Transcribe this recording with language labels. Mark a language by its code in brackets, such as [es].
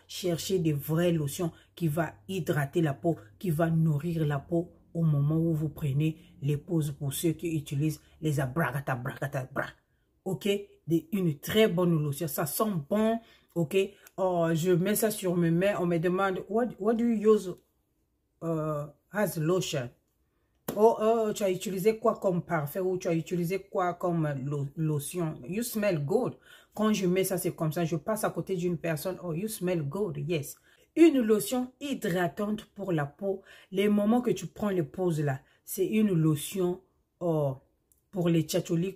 [fr] Cherchez des vraies lotions qui vont hydrater la peau, qui vont nourrir la peau au moment où vous prenez les pauses pour ceux qui utilisent les abracatabracatabra. Ok? Une très bonne lotion. Ça sent bon. Ok? Oh, je mets ça sur mes mains. On me demande, [en] what do you use as lotion? [fr] Oh, tu as utilisé quoi comme parfum ou tu as utilisé quoi comme lotion? [en] You smell good. [fr] Quand je mets ça, c'est comme ça. Je passe à côté d'une personne. [en] Oh, you smell good. Yes. [fr] Une lotion hydratante pour la peau. Les moments que tu prends les pauses là, c'est une lotion pour les tchatcholis.